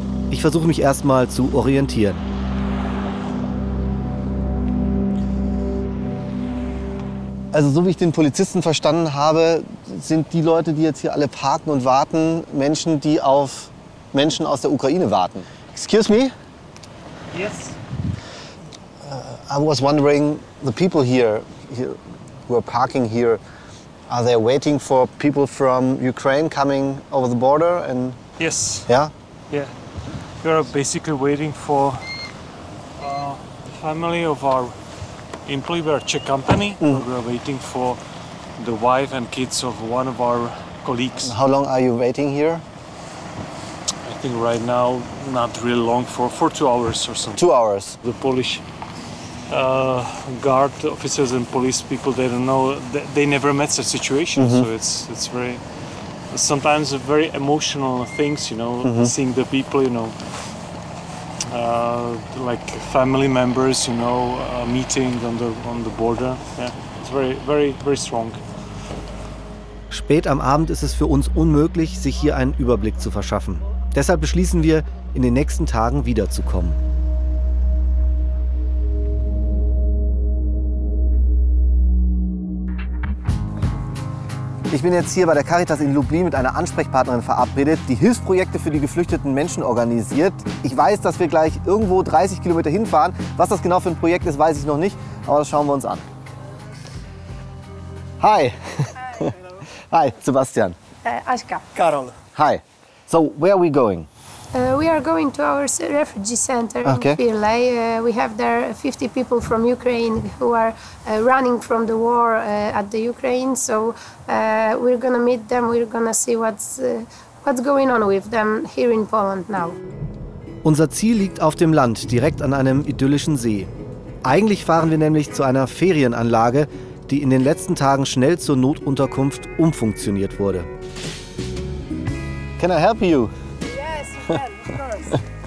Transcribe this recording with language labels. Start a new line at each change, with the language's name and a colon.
German: Ich versuche mich erstmal zu orientieren. Also so wie ich den Polizisten verstanden habe, sind die Leute, die jetzt hier alle parken und warten, Menschen, die auf Menschen aus der Ukraine warten.
English: Excuse me? Yes. I was wondering, the people here, who are parking here, are they waiting for people from Ukraine coming over the border? Yes. Yeah? Yeah. We are basically waiting for family of our employee, we're a Czech company. We're waiting for the wife and kids of one of our colleagues. How long are you waiting here? I think right now, not really long, for 2 hours or something. 2 hours? The Polish guard officers and police people, they don't know, they never met such situation. Mm-hmm. So it's very, sometimes very emotional things, you know, mm-hmm. seeing the people, you know. Like family members, you know, meeting on the border. Yeah, it's very, very, very strong.
German: Spät am Abend ist es für uns unmöglich, sich hier einen Überblick zu verschaffen. Deshalb beschließen wir, in den nächsten Tagen wiederzukommen. Ich bin jetzt hier bei der Caritas in Lublin mit einer Ansprechpartnerin verabredet, die Hilfsprojekte für die geflüchteten Menschen organisiert. Ich weiß, dass wir gleich irgendwo 30 Kilometer hinfahren. Was das genau für ein Projekt ist, weiß ich noch nicht, aber das schauen wir uns an.
English: Hi. Hi. Hi, Sebastian. Aschka. Carol. Hi. So, where are we going? We are going to our refugee center in Pirlei. We have there 50 people from Ukraine who are running from the war at the Ukraine. So we're going to meet them. We're going to see what's going on with them here in Poland now.
German: Unser Ziel liegt auf dem Land, direkt an einem idyllischen See. Eigentlich fahren wir nämlich zu einer Ferienanlage, die in den letzten Tagen schnell zur Notunterkunft umfunktioniert wurde.
English: Can I help you? Yeah, of course.